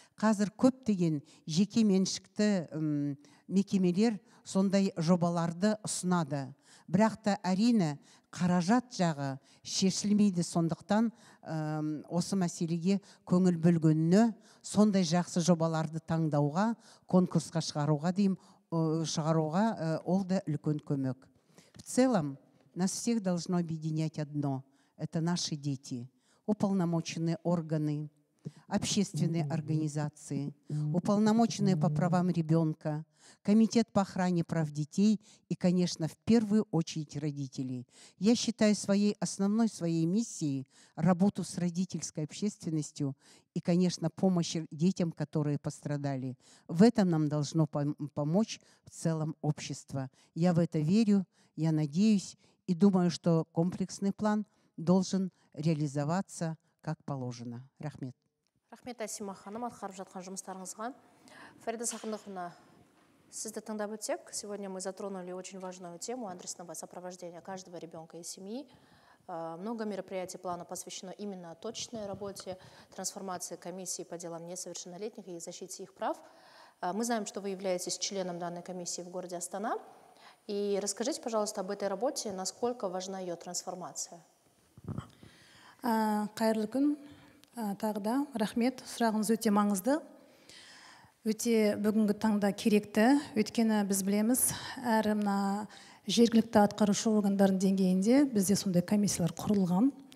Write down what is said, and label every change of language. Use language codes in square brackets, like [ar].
[kk] Қазір көп деген жеке меншікті мекемелер сондай жобаларды ұсынады. Бірақ та әрине қаражат жағы шешілмейді, сондықтан осы мәселеге көңіл бөлгеніне, сондай жақсы жобаларды таңдауға, конкурсқа шығаруға дейін, шығаруға ол да үлкен көмек. [ru] В целом, нас всех должно объединять одно – это наши дети, уполномоченные органы, общественные организации, уполномоченные по правам ребенка, комитет по охране прав детей и, конечно, в первую очередь родителей. Я считаю своей основной своей миссией работу с родительской общественностью и, конечно, помощь детям, которые пострадали. В этом нам должно помочь в целом общество. Я в это верю, я надеюсь и думаю, что комплексный план должен реализоваться как положено. Рахмет. [kk] Рахмет, Асима ханым, атқарып жатқан жұмыстарыңызға. [ru] Фарида Сақындықовна, [kk] сізді тыңдап өтсек, [ru] сегодня мы затронули очень важную тему адресного сопровождения каждого ребенка и семьи. Много мероприятий плана посвящено именно точной работе, трансформации комиссии по делам несовершеннолетних и защите их прав. Мы знаем, что вы являетесь членом данной комиссии в городе Астана. И расскажите, пожалуйста, об этой работе, насколько важна ее трансформация. [kk] Қайырлы күн. Тағда рахмет, сұрағыңыз өте маңызды. Өте бүгінгі таңда керекті, өткені біз білеміз, әрімна жергілікті атқарушы органдарының деңгейінде бізде сондай комиссиялар құрылған.